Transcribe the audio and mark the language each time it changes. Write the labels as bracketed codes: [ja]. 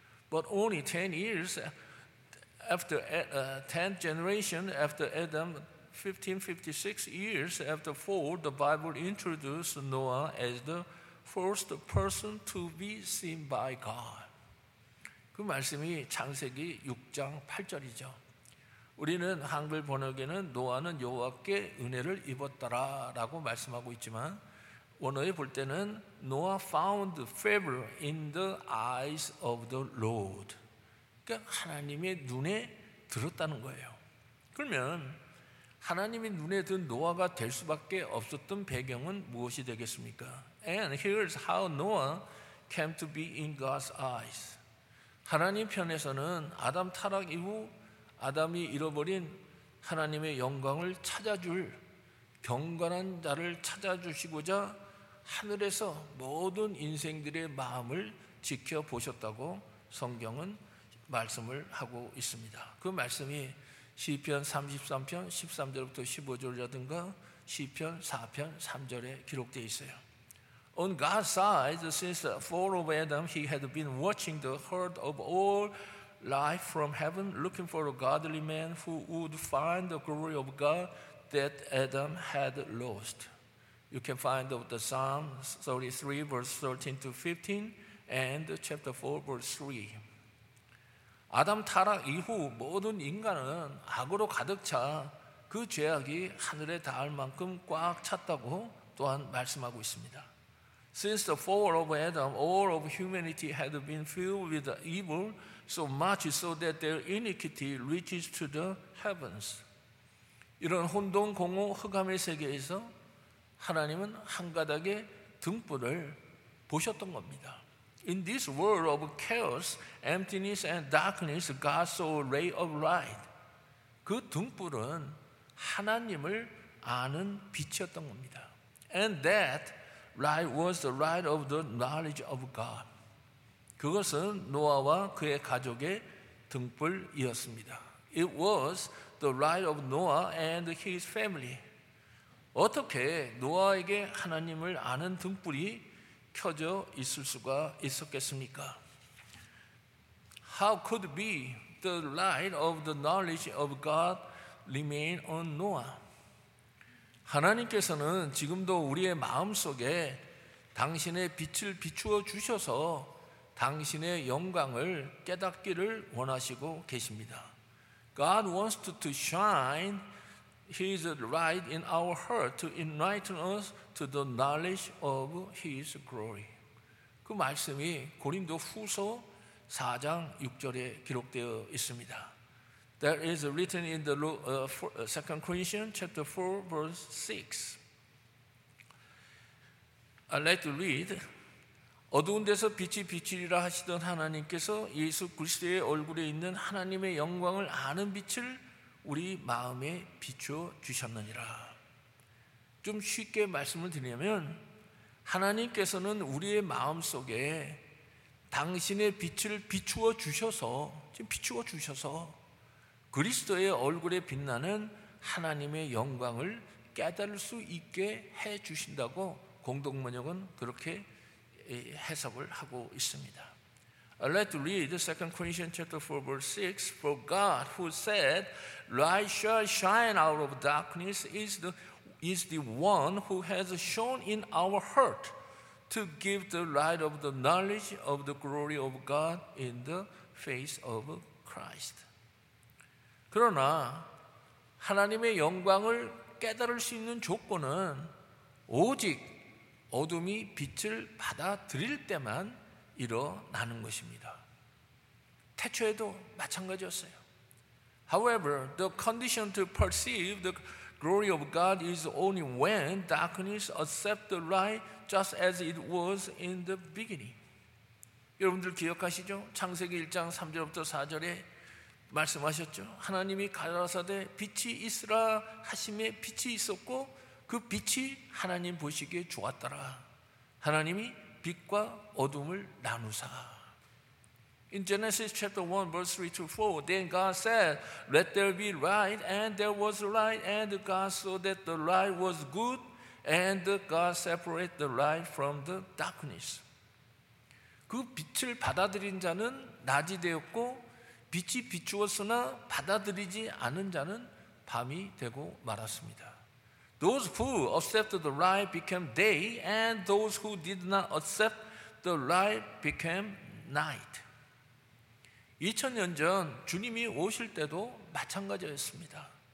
[en] But only 10 years after 10th generation after Adam, 1556 years after fall, the Bible introduced Noah as the first person to be seen by God. [ko] 그 말씀이 창세기 6장 8절이죠. 우리는 한글 번역에는 노아는 여호와께 은혜를 입었다라고 말씀하고 있지만 원어에 볼 때는 [en] Noah found favor in the eyes of the Lord. [ko] 그러니까 하나님의 눈에 들었다는 거예요. 그러면 하나님이 눈에 든 노아가 될 수밖에 없었던 배경은 무엇이 되겠습니까? [en] And here's how Noah came to be in God's eyes. [ko] 하나님 편에서는 아담 타락 이후 아담이 잃어버린 하나님의 영광을 찾아줄 경건한 자를 찾아주시고자 하늘에서 모든 인생들의 마음을 지켜보셨다고 성경은 말씀을 하고 있습니다. 그 말씀이 시편 33편 13절부터 15절이라든가 시편 4편 3절에 기록되어 있어요. [en] On God's side, since the fall of Adam, he had been watching the herd of all life from heaven, looking for a godly man who would find the glory of God that Adam had lost. You can find the Psalm 33, verse 13 to 15, and chapter 4, verse 3. [ko] 아담 타락 이후 모든 인간은 악으로 가득 차 그 죄악이 하늘에 닿을 만큼 꽉 찼다고 또한 말씀하고 있습니다. [en] Since the fall of Adam, all of humanity had been filled with evil, so much so that their iniquity reaches to the heavens. [ko] 이런 혼돈, 공허, 흑암의 세계에서 하나님은 한가닥의 등불을 보셨던 겁니다. [en] In this world of chaos, emptiness and darkness, God saw a ray of light. [ko] 그 등불은 하나님을 아는 빛이었던 겁니다. [en] And that light was the light of the knowledge of God. [ko] 그것은 노아와 그의 가족의 등불이었습니다. [en] It was the light of Noah and his family. [ko] 어떻게 노아에게 하나님을 아는 등불이 켜져 있을 수가 있었겠습니까? [en] How could be the light of the knowledge of God remain on Noah? [ko] 하나님께서는 지금도 우리의 마음속에 당신의 빛을 비추어 주셔서 당신의 영광을 깨닫기를 원하시고 계십니다. [en] God wants to shine His light in our heart to enlighten us to the knowledge of His glory. [ko] 그 말씀이 고린도 후서 4장 6절에 기록되어 있습니다. [en] That is written in the 2 Corinthians chapter 4, verse 6. I'd like to read. [ko] 어두운 데서 빛이 비치리라 하시던 하나님께서 예수 그리스도의 얼굴에 있는 하나님의 영광을 아는 빛을 우리 마음에 비추어 주셨느니라. 좀 쉽게 말씀을 드리면 하나님께서는 우리의 마음속에 당신의 빛을 비추어 주셔서 지금 비추어 주셔서 그리스도의 얼굴에 빛나는 하나님의 영광을 깨달을 수 있게 해 주신다고 공동번역은 그렇게 해석을 하고 있습니다. [en] I'd like to read 2 Corinthians chapter 4 verse 6. For God who said, Light shall shine out of darkness is the one who has shone in our heart to give the light of the knowledge of the glory of God in the face of Christ. [ko] 그러나 하나님의 영광을 깨달을 수 있는 조건은 오직 어둠이 빛을 받아들일 때만 일어나는 것입니다. 태초에도 마찬가지였어요. [en] However, the condition to perceive the glory of God is only when darkness accepts the light just as it was in the beginning. [ko] 여러분들 기억하시죠? 창세기 1장 3절부터 4절에 말씀하셨죠? 하나님이 가라사대 빛이 있으라 하심에 빛이 있었고 그 빛이 하나님 보시기에 좋았더라. 하나님이 빛과 어둠을 나누사. [en] In Genesis chapter 1 verse 3 to 4, Then God said, Let there be light, and there was light, and God saw that the light was good, and God separated the light from the darkness. [ko] 그 빛을 받아들인 자는 낮이 되었고 빛이 비추었으나 받아들이지 않은 자는 밤이 되고 말았습니다. [en] Those who accepted the light became day, and those who did not accept the light became night. [ko] 2000년 전 주님이 오실 때도 마찬가지였습니다.